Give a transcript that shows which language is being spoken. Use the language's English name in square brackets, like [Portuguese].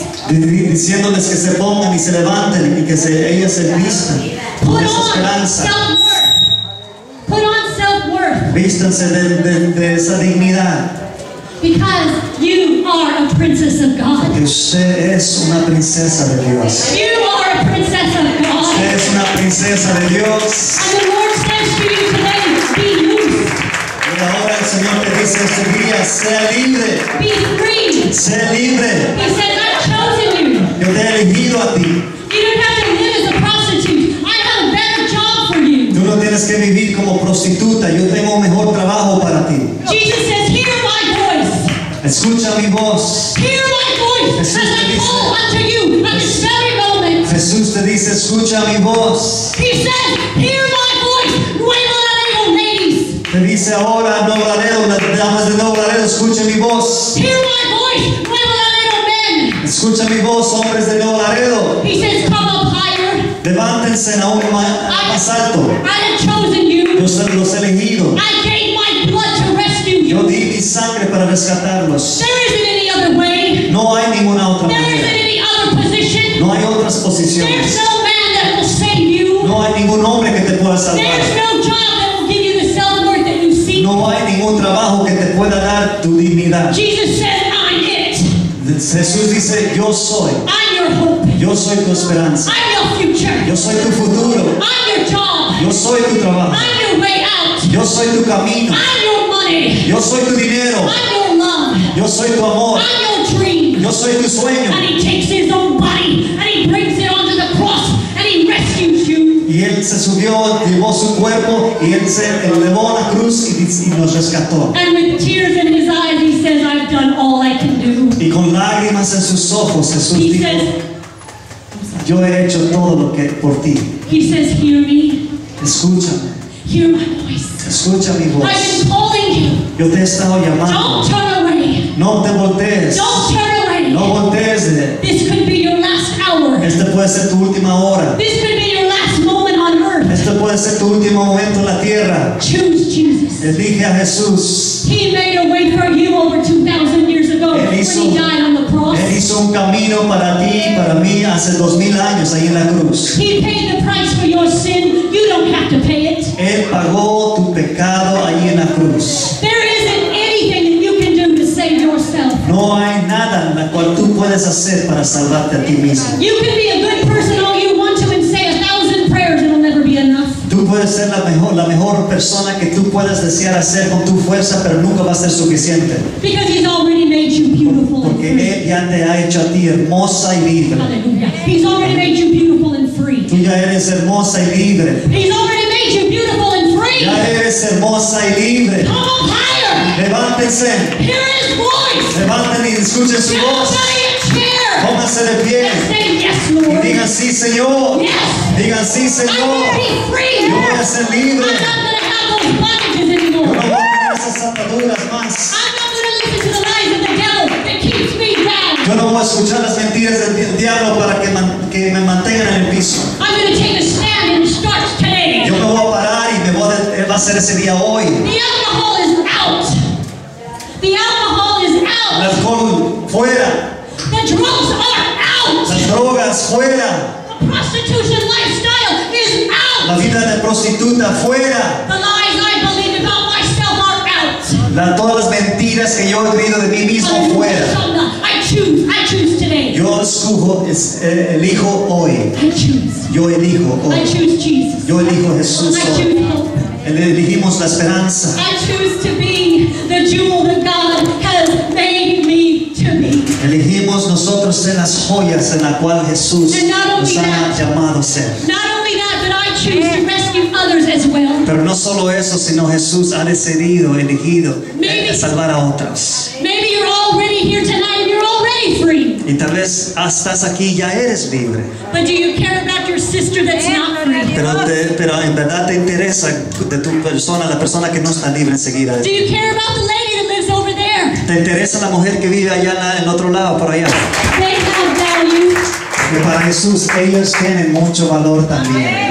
[Spanish] Diciéndoles que se pongan y se levanten y que ellas se vistan con esa esperanza. [English] Put on self-worth. [Spanish] Vístanse de esa dignidad. [English] Because you are a princess of God. [Spanish] Porque usted es una princesa de Dios. [English] You are a princess of God. [Spanish] Usted es princesa de Dios. [English] And the Lord says to you today, be loose. [Spanish] Y ahora el Señor te dice este día, sea libre. [English] Be free. [Spanish] Sea libre. [English] He said, I've chosen you. [Spanish] Yo te he elegido a ti. [English] You don't have to live as a prostitute. I have a better job for you. [Spanish] Tú no tienes que vivir como prostituta. Yo tengo un mejor trabajo para ti. [English] Jesus says, hear my voice. [Spanish] Escucha mi voz. [English] Hear my voice. As I call unto you at this very moment. [Spanish] Jesús te dice, escucha mi voz. [English] He says, hear my voice. Nueva Laredo, ladies. [Spanish] Te dice ahora, Nueva Laredo, las damas de Nueva Laredo, escucha mi voz. [English] Hear my voice. Nueva Laredo, men. [Spanish] Escucha mi voz, hombres de Nueva Laredo. [English] He says, come up higher. [Spanish] Levántense aún más alto. [English] I have chosen you. [Spanish] Yo soy los elegidos. [English] I gave my blood to rescue you. [Spanish] Yo di mi sangre para rescatarlos. [English] There isn't any other way. [Spanish] No hay ninguna otra manera. [English] There isn't any other position. [Spanish] No hay otras posiciones. [English] There's no man that will save you. [Spanish] No hay ningún hombre que te pueda salvar. [English] There's no job that will give you the self-worth that you seek. [Spanish] No hay ningún trabajo que te pueda dar tu dignidad. [English] Jesus said, I'm it. [Spanish] Jesús dice, yo soy. [English] I'm your hope. [Spanish] Yo soy tu esperanza. [English] I'm your future. [Spanish] Yo soy tu futuro. [English] I'm your job. [Spanish] Yo soy tu trabajo. [English] I'm your way out. [Spanish] Yo soy tu camino. [English] I'm your money. [Spanish] Yo soy tu dinero. [English] I'm your love. [Spanish] Yo soy tu amor. [English] I'm your dream. [Spanish] Yo soy tu sueño. [English] And he takes his own body and he brings it onto the cross and he rescues you. [Spanish] Y él se subió, llevó su cuerpo y él se elevó a la cruz y nos rescató. [English] And with tears in his eyes he says, I've done all I can do. [Spanish] Y con lágrimas en sus ojos Jesús [English] he [Spanish] dijo, [English] says, [Spanish] yo he hecho todo lo que por ti. [English] He says, hear me. [Spanish] Escúchame. [English] Hear my voice. [Spanish] Escucha mi voz. [English] I've been calling you. [Spanish] Yo te he estado llamando. [English] Don't turn away. [Spanish] No te voltees. [English] Don't turn away. [Spanish] No voltees. [English] This could be your last hour. [Spanish] Este puede ser tu última hora. [English] This could be your last moment on earth. [Spanish] Este puede ser tu último momento en la tierra. [English] Choose Jesus. [Spanish] Elige a Jesús. [English] He made a way for you over 2,000 years ago when he died on the cross. [Spanish] Él hizo un camino para ti y para mí hace 2,000 años ahí en la cruz. [English] He paid the price for your sin. You don't have to pay it. [Spanish] Él pagó tu pecado ahí en la cruz. [English] There isn't anything that you can do to save yourself. [Spanish] No hay nada en la cual tú puedes hacer para salvarte a ti mismo. [English] You can be a good person all you want to and say 1,000 prayers and it'll never be enough. [Spanish] Tú puedes ser la mejor persona que tú puedas desear hacer con tu fuerza, pero nunca va a ser suficiente. [English] Because he's already made you beautiful. [Spanish] Porque él ya te ha hecho a ti hermosa y libre. [English] Hallelujah. He's already made you beautiful and free. [Spanish] Tú ya eres hermosa y libre. [English] He's already made you beautiful and free. [Spanish] Ya eres hermosa y libre. [English] Come up higher. [Spanish] Levántense. [English] Hear his voice. [Spanish] Levanten y escuchen su voz. Pónganse de pie. [English] And say, yes, Lord. [Spanish] Y digan sí, Señor. [English] Yes. [Spanish] Digan sí, Señor. [English] I'm going to be free. [Spanish] Yo voy a ser libre. [English] I'm not going to have those bondages anymore. [Spanish] Yo no voy a tener esas ataduras más. [English] I'm not going to listen to the lies of the devil that keeps me down. [Spanish] Yo no voy a escuchar las mentiras del diablo para que me mantengan en el piso. [English] I'm going to take a stand and start today. [Spanish] Yo no voy a parar y va a ser ese día hoy. [English] The alcohol is out. The alcohol is out. [Spanish] Alcohol fuera. [English] The drugs are out. [Spanish] Las drogas fuera. [English] The prostitution lifestyle is out. [Spanish] La vida de prostituta fuera. [English] The lies I believe about myself are out. [Spanish] Todas las mentiras que yo he creído de mí mismo fuera. [English] I choose today. [Spanish] Yo escojo, elijo hoy. [English] I choose. [Spanish] Yo elijo hoy. [English] I choose Jesus. [Spanish] Yo elijo Jesús. [English] I choose hope. [Spanish] Elegimos la esperanza. [English] I choose to be the jewel that God has made. [Spanish] Elegimos nosotros ser las joyas en la cual Jesús nos ha llamado a ser. [English] Not only that, but I choose to rescue others as well. [Spanish] Pero no solo eso, sino Jesús ha decidido, elegido a salvar a otros. [English] Maybe you're already here tonight and you're already free. [Spanish] Y tal vez estás aquí y ya eres libre. [English] But do you care about your sister that's not free? [Spanish] Pero en verdad te interesa de tu persona, la persona que no está libre enseguida. [English] Do you care about the lady that lives over there? [Spanish] ¿Te interesa la mujer que vive allá en otro lado, por allá? [English] They have value. [Spanish] Y para Jesús, ellos tienen mucho valor también.